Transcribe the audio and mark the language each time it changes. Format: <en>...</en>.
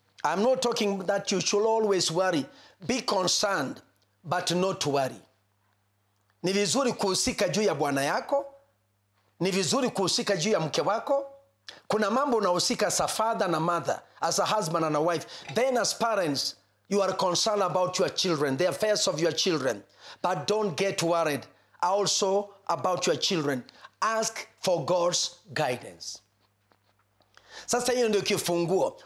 <en>I'm not talking that you should always worry. Be concerned, but not worry.</en> <sw>Ni vizuri kuhusika juu ya Bwana yako. Ni vizuri kuhusika juu ya mke wako. Kuna mambo unahusika</sw> <en>as a father and a mother, as a husband and a wife. Then as parents, you are concerned about your children, the affairs of your children. But don't get worried also about your children. Ask for God's guidance.</en> <sw>Sasa hiyo ndio kifunguo.</sw>